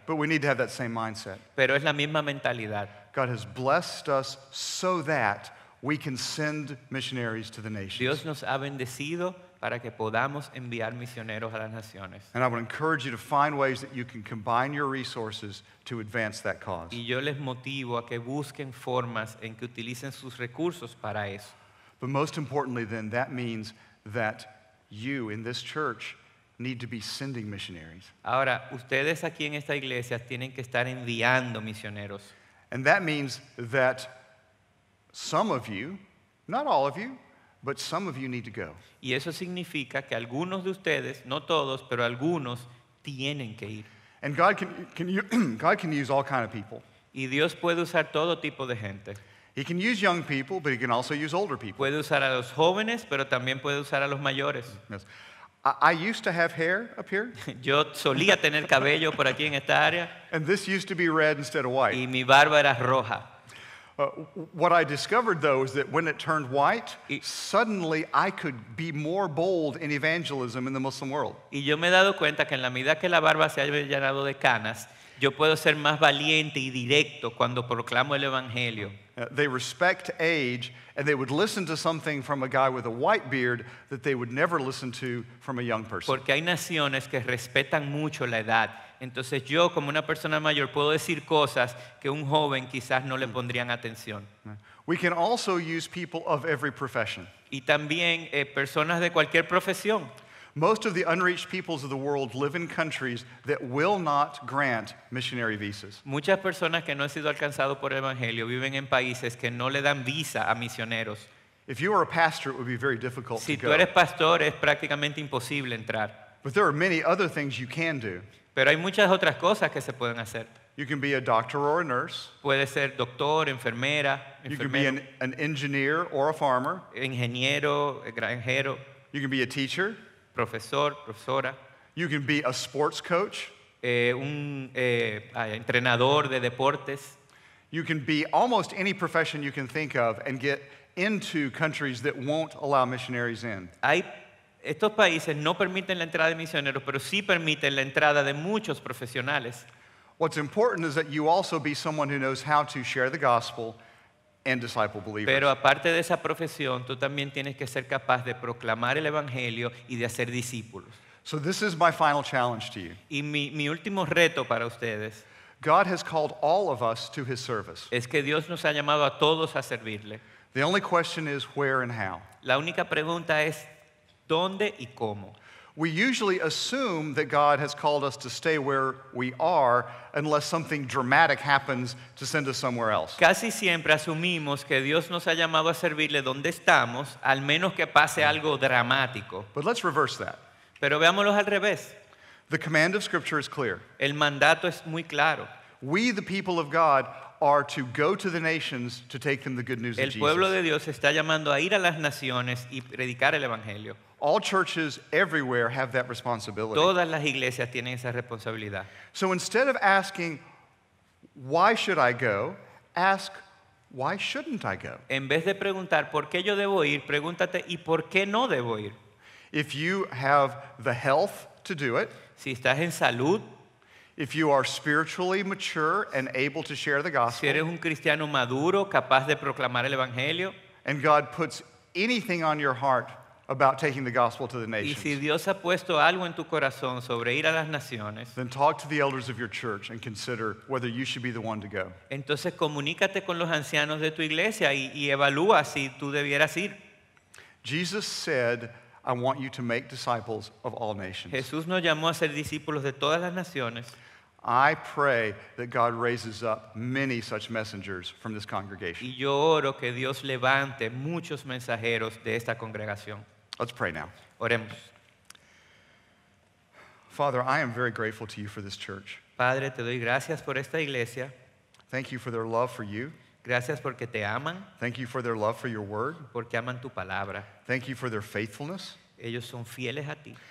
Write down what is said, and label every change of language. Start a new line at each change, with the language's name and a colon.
English: But we need to have that same mindset.
Spanish: Pero es la misma mentalidad.
English: God has blessed us so that we can send missionaries to the nations.
Spanish: Dios nos ha bendecido para que podamos enviar misioneros a las naciones.
English: And I would encourage you to find ways that you can combine your resources to advance that cause.
Spanish: Y yo les motivo a que busquen formas en que utilicen sus recursos para eso.
English: But most importantly then, that means that you in this church need to be sending missionaries.
Spanish: Ahora, ustedes aquí en esta iglesia tienen que estar enviando misioneros.
English: And that means that some of you, not all of you, but some of you need to go.
Spanish: Y eso significa que algunos de ustedes, no todos, pero algunos, tienen que ir.
English: And God can use all kind of people.
Spanish: Y Dios puede usar todo tipo de gente.
English: He can use young people, but he can also use older people.
Spanish: Puede usar a los jóvenes, pero también puede usar a los mayores.
English: Yes. I used to have hair up here.
Spanish: Yo solía tener cabello por aquí en esta área.
English: And this used to be red instead of white.
Spanish: Y mi barba era roja.
English: What I discovered, though, is that when it turned white, suddenly I could be more bold in evangelism in the Muslim world.
Spanish: Y yo me he dado cuenta que en la medida que la barba se ha llenado de canas, yo puedo ser más valiente y directo cuando proclamo el evangelio.
English: They respect age, and they would listen to something from a guy with a white beard that they would never listen to from a young person.
Spanish: Porque hay naciones que respetan mucho la edad. Entonces yo, como una persona mayor, puedo decir cosas que un joven quizás no le pondrían atención.
English: We can also use people of every profession.
Spanish: Y también personas de cualquier profesión.
English: Most of the unreached peoples of the world live in countries that will not grant missionary visas.
Spanish: Muchas personas que no han sido alcanzadas por el evangelio viven en países que no le dan visa a misioneros.
English: If you are a pastor, it would be very difficult
Spanish: si
English: to go.
Spanish: Si tú eres pastor, es prácticamente imposible entrar.
English: But there are many other things you can do.
Spanish: Pero hay muchas otras cosas que se pueden hacer.
English: You can be a doctor or a nurse.
Spanish: Puede ser doctor, enfermera,
English: you can be an engineer or a farmer.
Spanish: Ingeniero, granjero.
English: You can be a teacher.
Spanish: Profesor, profesora.
English: You can be a sports coach.
Spanish: Entrenador de deportes.
English: You can be almost any profession you can think of and get into countries that won't allow missionaries in.
Spanish: Estos países no permiten la entrada de misioneros, pero sí permiten la entrada de muchos profesionales.
English: What's important is that you also be someone who knows how to share the gospel and disciple believers.
Spanish: Pero aparte de esa profesión, tú también tienes que ser capaz de proclamar el evangelio y de hacer discípulos.
English: So this is my final challenge to you.
Spanish: Y mi último reto para ustedes.
English: God has called all of us to his service.
Spanish: Es que Dios nos ha llamado a todos a servirle.
English: The only question is where and how.
Spanish: La única pregunta es ¿dónde y cómo?
English: We usually assume that God has called us to stay where we are unless something dramatic happens to send us somewhere else.
Spanish: Casi siempre asumimos que Dios nos ha llamado a servirle donde estamos al menos que pase algo dramático.
English: But let's reverse that.
Spanish: Pero veámoslo al revés.
English: The command of Scripture is clear.
Spanish: El mandato es muy claro.
English: We, the people of God, are to go to the nations to take them the good news of Jesus.
Spanish: El pueblo de Dios está llamando a ir a las naciones y predicar el evangelio.
English: All churches everywhere have that responsibility.
Spanish: Todas las iglesias tienen esa responsabilidad.
English: So instead of asking, Why should I go? Ask, why shouldn't I go?
Spanish: En vez de preguntar por qué yo debo ir, pregúntate y por qué no debo ir.
English: If you have the health to do it,
Spanish: si estás en salud,
English: if you are spiritually mature and able to share the gospel,
Spanish: si eres un cristiano maduro, capaz de proclamar el evangelio,
English: and God puts anything on your heart about taking the gospel to the nations,
Spanish: y si Dios ha puesto algo en tu corazón sobre ir a las naciones,
English: then talk to the elders of your church and consider whether you should be the one to go.
Spanish: Entonces comunícate con los ancianos de tu iglesia y evalúa si tú debieras ir.
English: Jesus said, I want you to make disciples of all nations.
Spanish: Jesús nos llamó a ser discípulos de todas las naciones.
English: I pray that God raises up many such messengers from this congregation.
Spanish: Y yo oro que Dios levante muchos mensajeros de esta congregación.
English: Let's pray now.
Spanish: Oremos.
English: Father, I am very grateful to you for this church.
Spanish: Padre, te doy gracias por esta iglesia.
English: Thank you for their love for you.
Spanish: Gracias porque te aman.
English: Thank you for their love for your word.
Spanish: Porque aman tu palabra.
English: Thank you for their faithfulness.
Spanish: Ellos son fieles a ti.